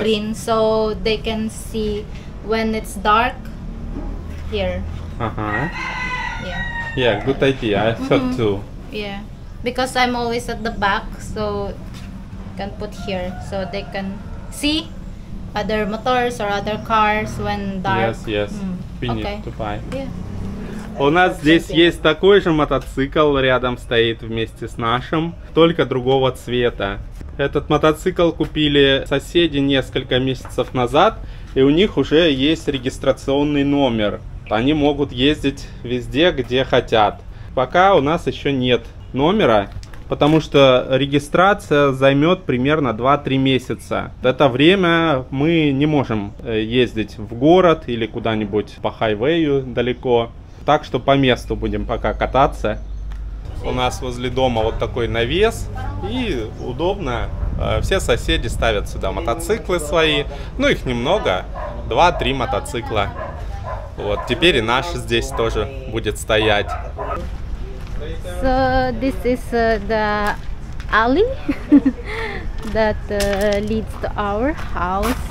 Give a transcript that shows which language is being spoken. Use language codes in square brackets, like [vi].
[en] green, so they can see when it's dark here. Uh-huh. Yeah. Yeah, good idea. I thought too. Yeah. Because I'm always at the back, so can put here so they can see other motors or other cars when dark. Yes, yes. Mm. [ru] У нас здесь есть такой же мотоцикл, рядом стоит вместе с нашим, только другого цвета. Этот мотоцикл купили соседи несколько месяцев назад, и у них уже есть регистрационный номер. Они могут ездить везде, где хотят. Пока у нас еще нет номера, потому что регистрация займет примерно 2-3 месяца. Это время мы не можем ездить в город или куда-нибудь по хайвею далеко. Так что по месту будем пока кататься. У нас возле дома вот такой навес. И удобно. Все соседи ставят сюда мотоциклы свои. Ну, их немного. 2-3 мотоцикла. Вот, теперь и наш здесь тоже будет стоять. [en] So this is the alley that leads to our house.